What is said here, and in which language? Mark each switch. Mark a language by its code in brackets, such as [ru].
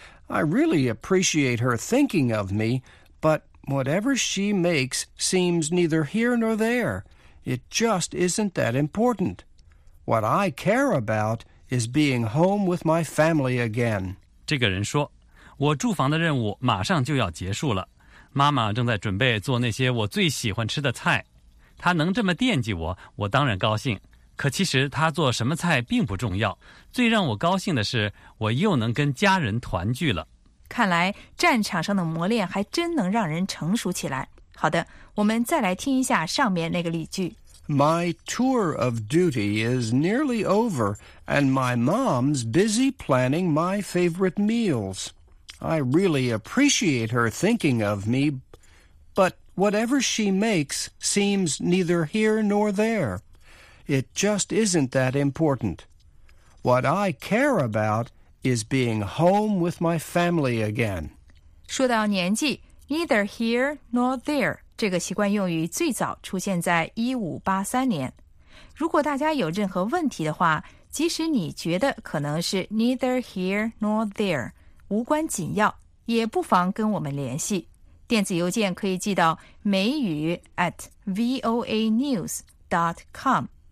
[en] I really appreciate her thinking of me, but whatever she makes seems neither here nor there. It just isn't that important. What I care aboutis being home with my family again. [zh] 这个人说，我住房的任务马上就要结束了，妈妈正在准备做那些我最喜欢吃的菜。她能这么惦记我，我当然高兴。可其实她做什么菜并不重要，最让我高兴的是我又能跟家人团聚了。看来战场上的磨练还真能让人成熟起来。好的，我们再来听一下上面那个例句。 [en] My tour of duty is nearly over, and my mom's busy planning my favorite meals. I really appreciate her thinking of me, but whatever she makes seems neither here nor there. It just isn't that important. What I care about is being home with my family again. [zh] 说到年纪，neither here nor there。这个习惯用语最早出现在1583年。如果大家有任何问题的话，即使你觉得可能是 neither here nor there， 无关紧要，也不妨跟我们联系。电子邮件可以寄到美语 @voanews.com。